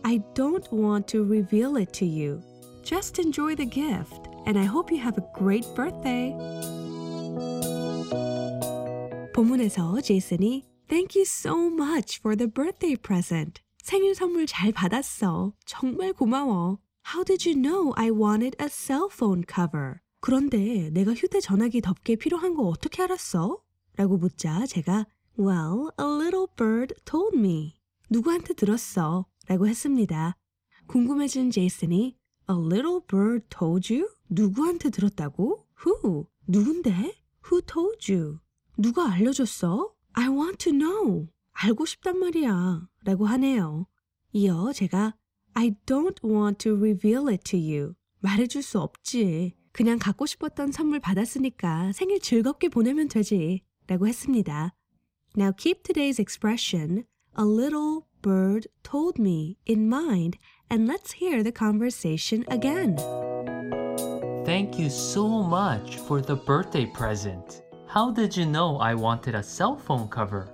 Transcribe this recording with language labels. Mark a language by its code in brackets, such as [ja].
[en] I don't want to reveal it to you. Just enjoy the gift, and I hope you have a great birthday. [ko] 본문에서 제이슨이 [en] Thank you so much for the birthday present. [ko] 생일 선물 잘 받았어. 정말 고마워. [en] How did you know I wanted a cell phone cover? [ko] 그런데 내가 휴대전화기 덮개 필요한 거 어떻게 알았어? 라고 묻자 제가 [en] Well, a little bird told me. [ko] 누구한테 들었어? 라고 했습니다. 궁금해진 제이슨이 [en] A little bird told you? [ko] 누구한테 들었다고? [en] Who? [ko] 누군데? [en] Who told you? [ko] 누가 알려줬어? [en] I want to know. [ko] 알고 싶단 말이야. 라고 하네요. 이어 제가 [en] I don't want to reveal it to you. [ko] 말해줄 수 없지. 그냥 갖고 싶었던 선물 받았으니까 생일 즐겁게 보내면 되지. 라고 했습니다. [en] Now keep today's expression A little bird told me in mind And let's hear the conversation again. Thank you so much for the birthday present. How did you know I wanted a cell phone cover?